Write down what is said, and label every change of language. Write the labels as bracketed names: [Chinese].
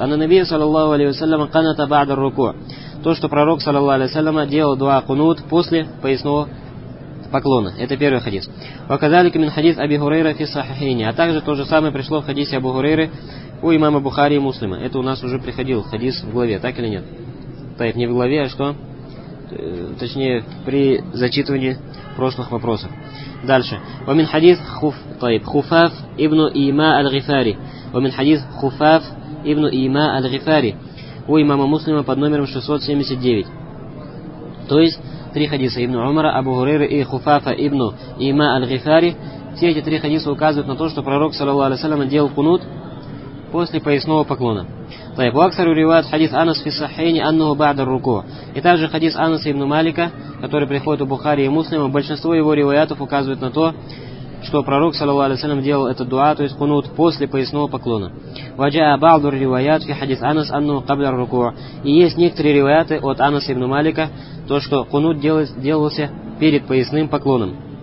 [Arabic] А на Наби саллаллаху алейхи ва саллям каната ба'да ар-руку. [Russian] То, что пророк саллаллаху алейхи ва саллям делал дуа кунут после поясного поклона. Это первый хадис. [Arabic] Ва казалика мин хадис Аби Хурейра фи сахихайни. [Russian] А также то же самое пришло в хадисе Абу Хурейры у имама Бухари и Муслима. Это у нас уже приходил хадис в главе, так или нет? Так, не в главе, а что? Точнее, при зачитывании прошлых вопросов. Дальше. [Arabic] ومن حديث خف طيب خفاف ابن إيماء الغفاري ومن حديث خفاف ابن إيماء الغفاري [Russian] у имама Муслима под номером 679. То есть три хадиса ибн Умара, Абу Хурейры и Хуфафа ибн إيماء الغفاري. Все эти три хадиса указывают на то, что пророк саллаллаху алейхи ва саллям делал кунут после поясного поклона. [Arabic] طيب واكثر روايات حديث انس في الصحيحين انه بعد الركوع. [Russian] И также хадис Анаса ибн Малика, который приходит у Бухари и Муслима, большинство его риваятов указывает на то, что пророк, саллаллаху алейхи ва саллям, делал этот дуа, то есть кунут, после поясного поклона. [Arabic] وَجَاءَ بَعْضُ الرِّوَيَاتِ فِي حَدِثْ أَنَسْ أَنُّهُ قَبْلَ الرُّكُوعَ. [Russian] И есть некоторые риваяты от Анаса ибн Малика, то, что кунут делался перед поясным поклоном.